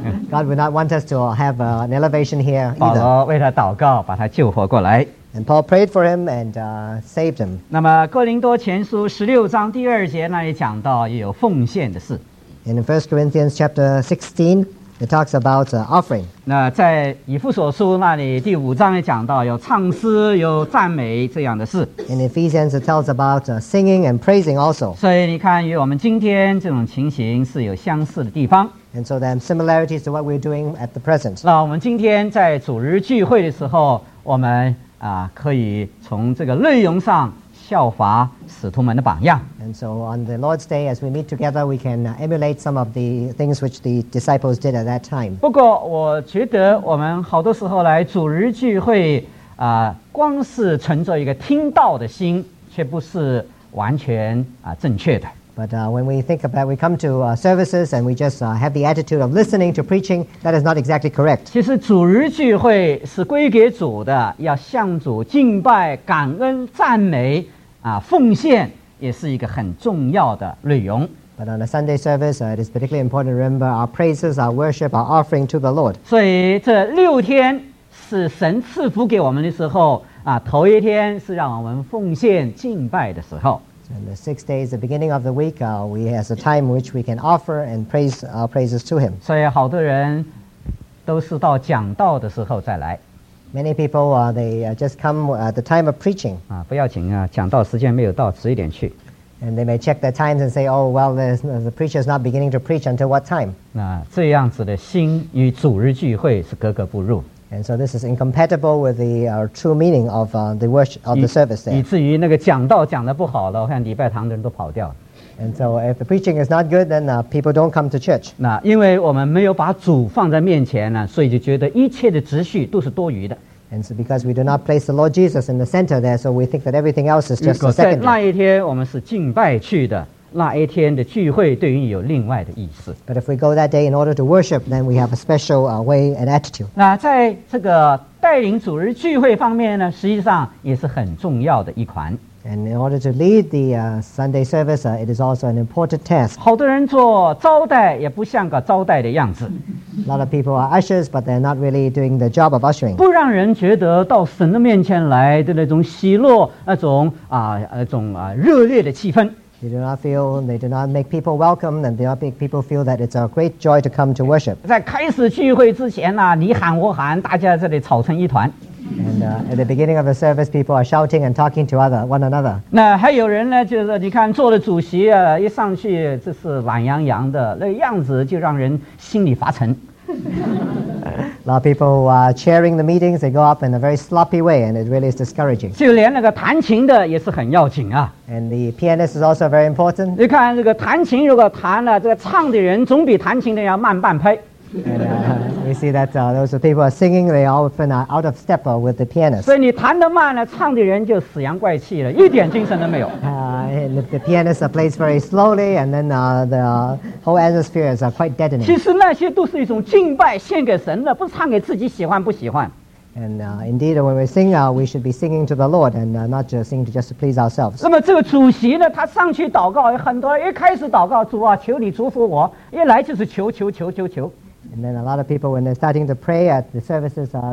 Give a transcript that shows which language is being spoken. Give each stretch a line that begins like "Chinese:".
English: God would not want us to have an elevation here either.
Chinese: 保罗为他祷告，把他救活过来。
English: And Paul prayed for him and saved him.
Chinese: 那么哥林多前书十六章第二节那里讲到也有奉献的事。
English: In 1 Corinthians chapter 16, it talks about offering.
Chinese: 那在以弗所书那里第五章也讲到有唱诗有赞美这样的事。
English: In Ephesians, it tells about singing and praising also.
Chinese: 所以你看与我们今天这种情形是有相似的地方。
English: And so there are similarities to what we're doing at the present.
Chinese: 那我们今天在主日聚会的时候我们可以从这个内容上效法使徒们的榜样。
English: And so on the Lord's Day, as we meet together, we can emulate some of the things which the disciples did at that time.
Chinese: 不过我觉得我们好多时候来主日聚会光是存着一个听道的心，却不是完全正确的。
English: But when we think about we come to services and we just have the attitude of listening to preaching, that is not exactly correct.
Chinese: 其实主日聚会是归给主的，要向主敬拜、感恩、赞美奉献也是一个很重要的内容。
English: But on a Sunday service, it is particularly important to remember our praises, our worship, our offering to the Lord.
Chinese: 所以这六天是神赐福给我们的时候头一天是让我们奉献敬拜的时候。
English: And the 6 days, the beginning of the week, we have a time which we can offer and praise our praises to Him.
Chinese: 所以好多人都是到讲道的时候再来。
English: Many people, they just come at the time of preaching.
Chinese: 不要紧啊，讲道时间没有到，迟一点去。
English: And they may check their times and say, oh, well, the preacher is not beginning to preach until what time?
Chinese: 那这样子的心与主日聚会是格格不入。
English: And so this is incompatible with the true meaning of the worship of the service there.
Chinese: 以至于那个讲道讲得不好了，我看礼拜堂的人都跑掉了。
English: And so if the preaching is not good, then people don't come to church.
Chinese: 那因为我们没有把主放在面前呢，所以就觉得一切的秩序都是多余的。
English: And so because we do not place the Lord Jesus in the center there, so we think that everything else is just secondary.
Chinese: 如果在那一天我们是敬拜去的。那一天的聚会对于你有另外的意思。
English: But if we go that day in order to worship, then we have a special way and attitude.
Chinese: 那在这个带领主日聚会方面呢，实际上也是很重要的一环。
English: And in order to lead the Sunday service, it is also an important task.
Chinese: 好多人做招待也不像个招待的样子。
English: A lot of people are ushers, but they're not really doing the job of ushering.
Chinese: 不让人觉得到神的面前来的那种喜乐，那种热烈的气氛。
English: They do not make people welcome, and they do not make people feel that it's a great joy to come to worship.
Chinese: 在开始聚会之前呢，你喊我喊，大家这里吵成一团。
English: And at the beginning of the service, people are shouting and talking to one another.
Chinese: 那还有人呢，就是你看做了主席啊，一上去就是懒洋洋的，那样子就让人心里发沉。
English: A lot of people who are chairing the meetings, they go up in a very sloppy way, and it really is discouraging.
Chinese: 就连那个弹琴的也是很要紧啊。
English: And the pianist is also very important.
Chinese: 你看这个弹琴如果弹了，这个唱的人总比弹琴的人要慢半拍。
English: And, you see that those people are singing, they often are out of step with the pianist.
Chinese: 所以你弹得慢了，唱的人就死洋怪气了，一点精神都没有。
English: And if the pianist plays very slowly, and then the whole atmosphere is quite deadening.
Chinese: 其实那些都是一种敬拜，献给神的，不是唱给自己喜欢不喜欢。
English: And indeed, when we sing, we should be singing to the Lord, and not just sing to just please ourselves.
Chinese: 那么这个主席呢，他上去祷告，很多人一开始祷告主啊，求你祝福我，一来就是求求求求求。
English: And then a lot of people, when they're starting to pray at the services,